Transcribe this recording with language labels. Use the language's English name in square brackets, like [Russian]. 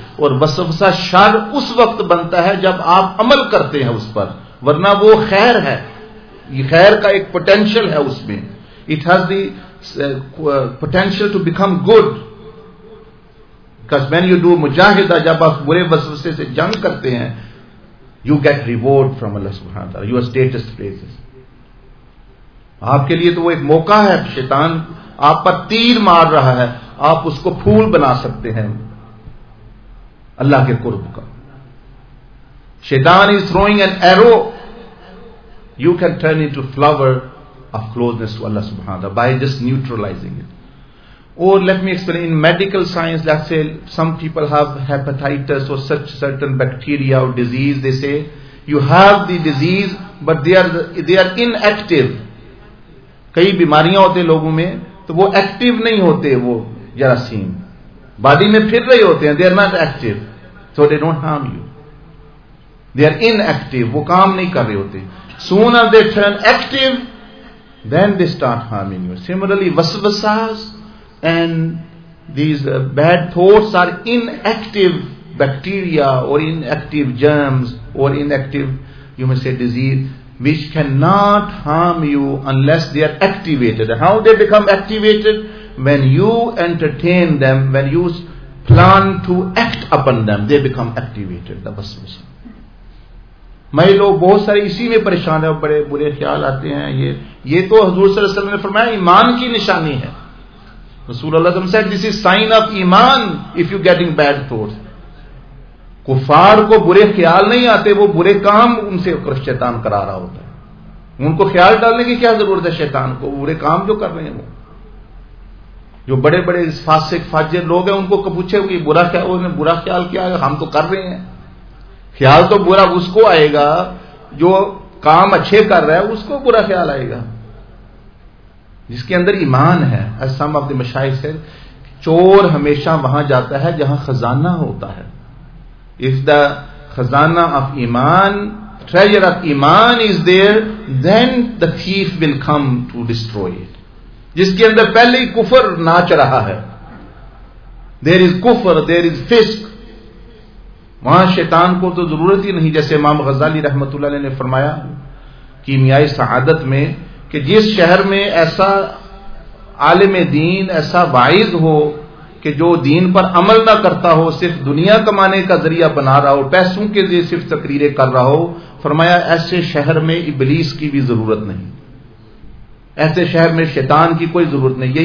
[Urdu] اور وسوسہ شر اس وقت بنتا ہے جب آپ عمل کرتے ہیں اس پر, ورنہ وہ خیر ہے. یہ خیر کا ایک پوٹینشیل ہے اس میں. [English] It has the potential to become good. Because when you do مجاہدہ, [Urdu] جب آپ برے وسوسے سے جنگ کرتے ہیں, [English] you get reward from Allah سبحانہ وتعالی. Your status raises. [Urdu] آپ کے لیے تو وہ ایک موقع ہے. شیطان آپ پر تیر مار رہا ہے, آپ اس کو پھول بنا سکتے ہیں اللہ کے قرب کا. [English] شیطان is throwing an arrow, you can turn into flower of closeness to Allah subhanahu wa ta'ala by just neutralizing it. Or let me explain, in medical science, let's say some people have hepatitis or such certain bacteria or disease, they say you have the disease but they are inactive. [Urdu] کئی بیماریاں ہوتے لوگوں میں تو وہ active نہیں ہوتے, وہ جراثیم باڈی میں پھر رہے ہوتے ہیں. [English] They are not active, so they don't harm you. They are inactive, [Urdu] وہ کام نہیں کر رہے ہوتے. [English] Soon as they turn active, then they start harming you. Similarly, waswasas and these bad thoughts are inactive bacteria or inactive germs or inactive, you may say, disease, which cannot harm you unless they are activated. How they become activated? When you entertain them, when you plan to act upon them, they become activated. The waswasa. [Urdu] مائے لوگ بہت سارے اسی میں پریشان ہیں, بڑے برے خیال آتے ہیں. یہ تو حضور صلی اللہ علیہ وسلم نے فرمایا ایمان کی نشانی ہے. [English] رسول اللہ صلی اللہ علیہ وسلم said, this is sign of ایمان if you getting bad thoughts. [Urdu] کفار کو برے خیال نہیں آتے, وہ برے کام ان سے شیطان کرا رہا ہوتا ہے. ان کو خیال ڈالنے کی کیا ضرورت ہے شیطان کو, برے کام جو کر رہے ہیں وہ. جو بڑے بڑے فاسق فاجر لوگ ہیں ان کو پوچھے کہ برا کیا, انہوں نے برا خیال کیا ہے, ہم تو کر رہے ہیں. خیال تو برا اس کو آئے گا جو کام اچھے کر رہا ہے, اس کو برا خیال آئے گا جس کے اندر ایمان ہے. [English] As some of the مشائخ said, [Urdu] چور ہمیشہ وہاں جاتا ہے جہاں خزانہ ہوتا ہے. [English] If the خزانہ of ایمان, treasure of ایمان is there, then the thief will come to destroy it. [Urdu] جس کے اندر پہلے ہی کفر ناچ رہا ہے, [English] there is کفر, there is فسق, [Urdu] وہاں شیطان کو تو ضرورت ہی نہیں. جیسے امام غزالی رحمت اللہ علیہ نے فرمایا کیمیائی سعادت میں, کہ جس شہر میں ایسا عالم دین, ایسا واعظ ہو کہ جو دین پر عمل نہ کرتا ہو, صرف دنیا کمانے کا ذریعہ بنا رہا ہو, پیسوں کے لیے صرف تقریریں کر رہا ہو, فرمایا ایسے شہر میں ابلیس کی بھی ضرورت نہیں, ایسے شہر میں شیطان کی کوئی ضرورت نہیں.